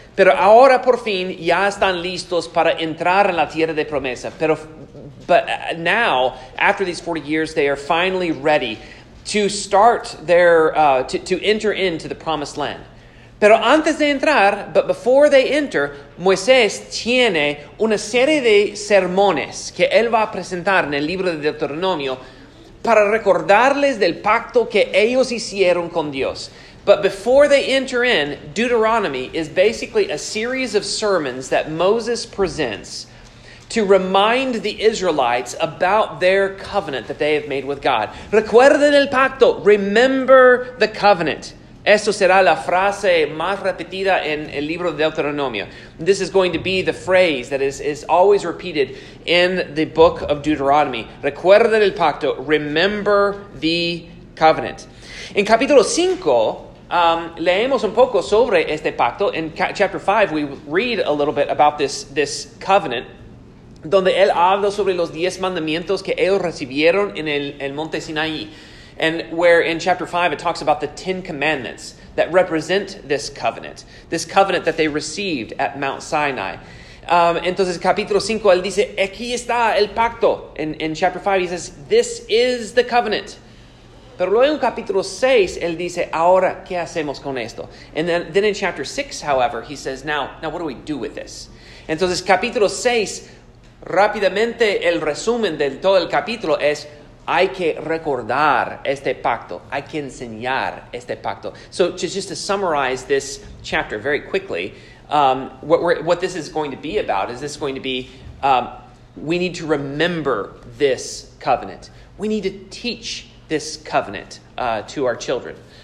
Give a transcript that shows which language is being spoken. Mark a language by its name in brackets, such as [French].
[Spanish] Pero ahora por fin ya están listos para entrar en la tierra de promesa. [English] But now, after these 40 years, they are finally ready to start their to enter into the promised land. [Spanish] Pero antes de entrar, [English] but before they enter, [Spanish] Moisés tiene una serie de sermones que él va a presentar en el libro de Deuteronomio para recordarles del pacto que ellos hicieron con Dios. [English] But before they enter in, Deuteronomy is basically a series of sermons that Moses presents to remind the Israelites about their covenant that they have made with God. [Spanish] Recuerden el pacto. [English] Remember the covenant. [Spanish] Esto será la frase más repetida en el libro de Deuteronomio. [English] This is going to be the phrase that is always repeated in the book of Deuteronomy. [Spanish] Recuerden el pacto. [English] Remember the covenant. [Spanish] In capítulo 5, leemos un poco sobre este pacto. [English] In chapter 5, we read a little bit about this covenant, [Spanish] donde él habla sobre los 10 mandamientos que ellos recibieron en el monte Sinaí. [English] And where in chapter 5, it talks about the 10 commandments that represent this covenant that they received at Mount Sinai. [Spanish] Entonces, capítulo 5, él dice, aquí está el pacto. [English] In chapter 5, he says, this is the covenant. [Spanish] Pero luego en capítulo 6, él dice, ahora, ¿qué hacemos con esto? [English] And then in chapter 6, however, he says, now, what do we do with this? [Spanish] Entonces, capítulo 6, rápidamente, el resumen de todo el capítulo es, hay que recordar este pacto. Hay que enseñar este pacto. [English] So just to summarize this chapter very quickly, what this is going to be about is this going to be, we need to remember this covenant. We need to teach this covenant to our children.